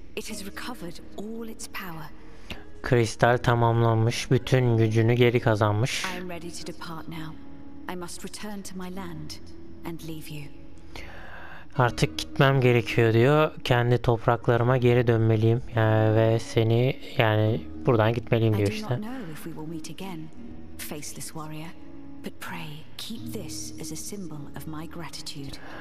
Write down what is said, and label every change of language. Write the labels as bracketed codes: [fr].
[en] It has recovered all its power. [tr] Kristal tamamlanmış, bütün gücünü geri kazanmış. [en] I am ready to depart now. I must return to my land and leave you. [tr] Artık gitmem gerekiyor diyor. Kendi topraklarıma geri dönmeliyim yani, ve seni yani buradan gitmeliyim diyor işte. [en] I do not know if we will meet again, faceless warrior, but pray keep this as a symbol of my gratitude.